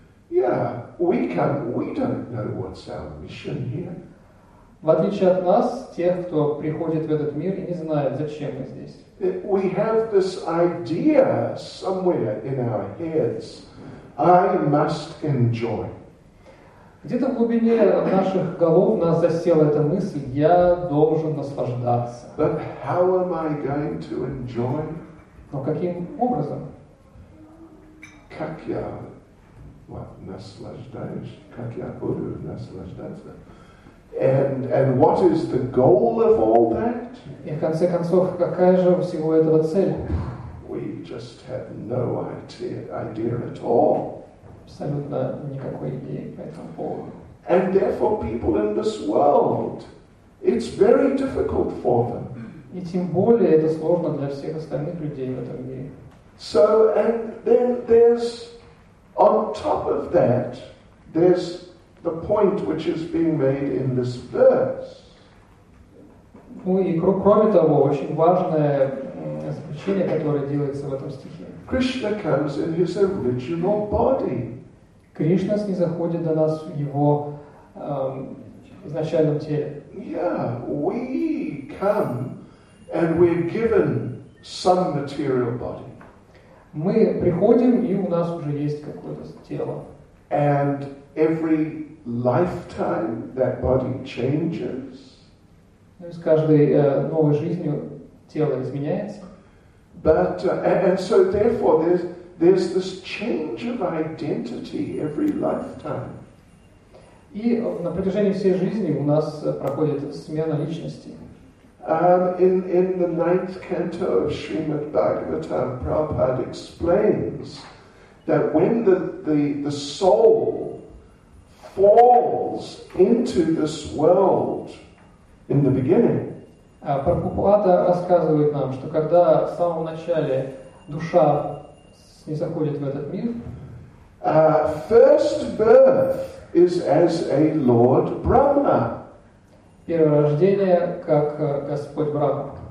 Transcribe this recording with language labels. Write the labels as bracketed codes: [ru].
[en] Yeah, we don't know what's our mission here. [ru] В отличие от нас, тех, кто приходит в этот мир и не знает, зачем мы здесь. [en] We have this idea somewhere in our heads. I must enjoy. [ru] Где-то в глубине наших голов у нас засела эта мысль: я должен наслаждаться. [en] But how am I going to enjoy? [ru] Но каким образом? Как я наслаждаюсь? Как я буду наслаждаться? [en] And what is the goal of all that? [ru] И в конце концов, какая же всего этого цель? [en] We just have no idea at all. [ru] Абсолютно никакой идеи по этому поводу. [en] And therefore, people in this world, it's very difficult for them. [ru] И тем более это сложно для всех остальных людей в этом мире. [en] So and then there's on top of that, there's the point which is being made in this verse. [ru] Ну и кроме того, очень важное заключение, которое делается в этом стихе. [en] Krishna comes in his original body. [ru] Кришна снизоходит до нас в его изначальном теле. [en] Yeah, we come and we're given some material body. [ru] Мы приходим, и у нас уже есть какое-то тело. [en] And every lifetime that body changes. [ru] Ну, с каждой новой жизнью тело изменяется. [en] But and so therefore there's this change of identity every lifetime. [ru] И на протяжении всей жизни у нас проходит смена личности. [en] In the ninth canto of Srimad Bhagavatam, Prabhupada explains that when the soul falls into this world in the beginning. [ru] Прабхупада рассказывает нам, что когда в самом начале душа не заходит в этот мир, [en] first birth is as a Lord Brahma. [ru] Первое рождение как Господь Брахма.